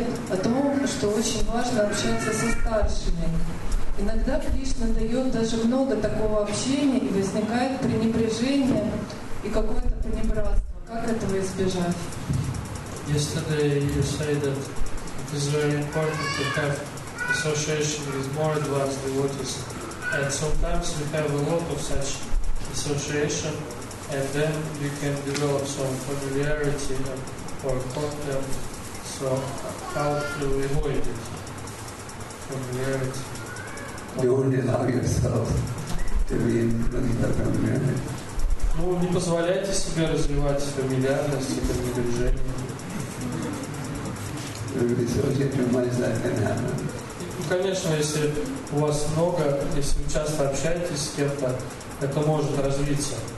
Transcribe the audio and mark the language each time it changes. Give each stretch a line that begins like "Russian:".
Russian: О том, что очень важно общаться со старшими. Иногда Кришна дает даже много такого общения, и возникает пренебрежение и какое-то пренебратство. Как этого избежать?
English: Yesterday you said that it is very important to have association with more advanced devotees. And sometimes we have a lot of such association, and then we can develop some familiarity or contact. So, how to avoid it? Familiarity. You only allow yourself to be in the familiarity.
Russian: Ну, не позволяйте себе развивать фамильярность и пренебрежение. Ну, конечно, если у вас много, если вы часто общаетесь с кем-то, это может развиться.